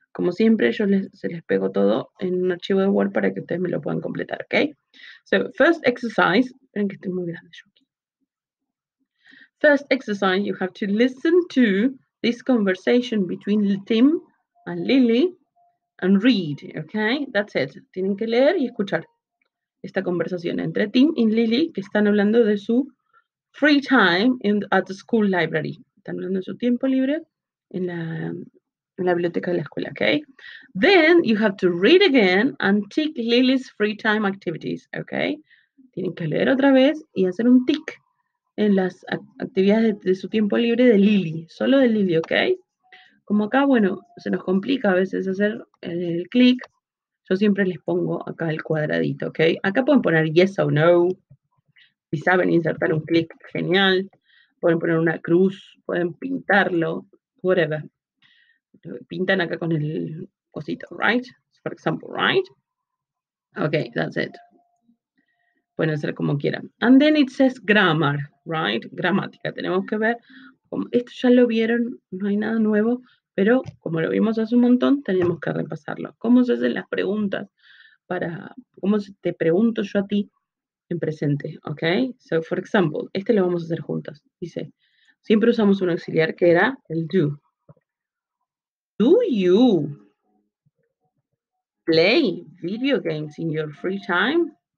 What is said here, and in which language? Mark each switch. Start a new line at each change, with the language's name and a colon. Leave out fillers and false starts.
Spanish: Como siempre, yo se les pego todo en un archivo de Word para que ustedes me lo puedan completar, ¿ok?
English: So, first exercise.
Spanish: Esperen que estoy muy grande yo aquí.
English: First exercise, you have to listen to this conversation between Tim and Lily and read, ¿ok? That's it.
Spanish: Tienen que leer y escuchar esta conversación entre Tim y Lily, que están hablando de su
English: free time at the school library.
Spanish: Están hablando de su tiempo libre en la biblioteca de la escuela, okay?
English: Then you have to read again and tick Lily's free time activities, okay?
Spanish: Tienen que leer otra vez y hacer un tick en las actividades de su tiempo libre de Lily, solo de Lily, okay? Como acá, bueno, se nos complica a veces hacer el click, yo siempre les pongo acá el cuadradito, okay? Acá pueden poner yes o no, si saben insertar un click, genial. Pueden poner una cruz, pueden pintarlo, whatever. Pintan acá con el cosito,
English: right? For example, right? Okay, that's it.
Spanish: Pueden hacer como quieran.
English: And then it says grammar, right?
Spanish: Gramática. Tenemos que ver. Esto ya lo vieron, no hay nada nuevo. Pero como lo vimos hace un montón, tenemos que repasarlo. ¿Cómo se hacen las preguntas? ¿Cómo te pregunto yo a ti en presente? Okay?
English: So, for example,
Spanish: este lo vamos a hacer juntos. Dice, siempre usamos un auxiliar que era el do.
English: Do you play video games in your free time?